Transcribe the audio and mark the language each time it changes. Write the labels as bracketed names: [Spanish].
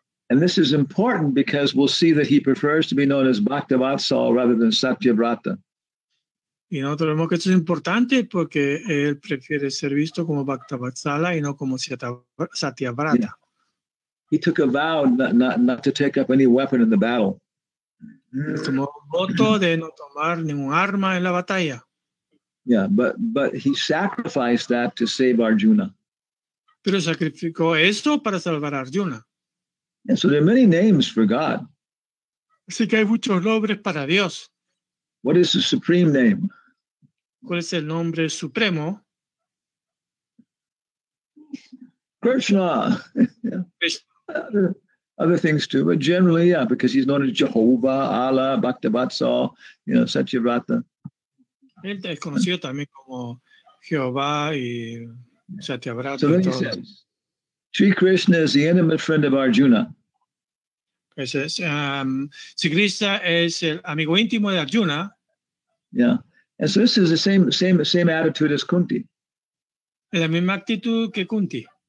[English] And this is important because we'll see that he prefers to be known as Bhakta Vatsal rather than Satyavrata. [Spanish] Y nosotros vemos que esto es importante porque él prefiere ser visto como Bhakta Vatsala y no como Satyavrata. Yeah. [English] He took a vow not to take up any weapon in the battle. [Spanish] Tomó un voto de no tomar ningún arma en la batalla. [English] Yeah, but he sacrificed that to save Arjuna. [Spanish] Pero sacrificó esto para salvar a Arjuna. [English] And so there are many names for God. [Spanish] Así que hay muchos nombres para Dios. [English] What is the supreme name? [Spanish] ¿Cuál es el nombre supremo? Krishna. [English] Other things too, but generally, yeah, because he's known as Jehovah, Allah, Bhaktivatsal, you know, Satyavrata. [Spanish] Él es conocido también como Jehová y Satyavrata. [English] So then he says, Sri Krishna is the intimate friend of Arjuna. [Spanish] Pues es, Sri Krishna es el amigo íntimo de Arjuna. [English] Yeah, and so this is the same attitude as Kunti. [Spanish] La misma actitud que Kunti.